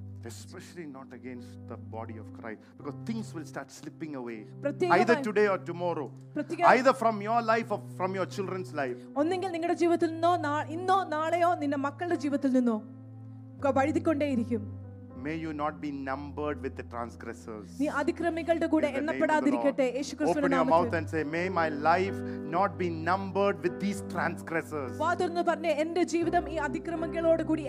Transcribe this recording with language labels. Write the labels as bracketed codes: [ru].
[en] Especially not against the body of Christ, because things will start slipping away either today or tomorrow, either from your life or from your children's life. [ml] ഒന്നെങ്കിൽ നിങ്ങളുടെ ജീവിതത്തിൽ നിന്നോ ഇന്നോ നാളെയോ നിന്റെ മക്കളുടെ ജീവിതത്തിൽ നിന്നോ വഴുതിക്കൊണ്ടേയിരിക്കും. [en] May you not be numbered with the transgressors. [ml] നീ അതിക്രമികളുടെ കൂടെ എണ്ണപ്പെടാതിരിക്കട്ടെ യേശുക്രിസ്തുവിന്റെ നാമത്തിൽ. [en] Open your mouth and say, may my life not be numbered with these transgressors. [ml] വാതുർന്നു പറഞ്ഞു, എൻ്റെ ജീവിതം ഈ അതിക്രമികളോട് കൂടി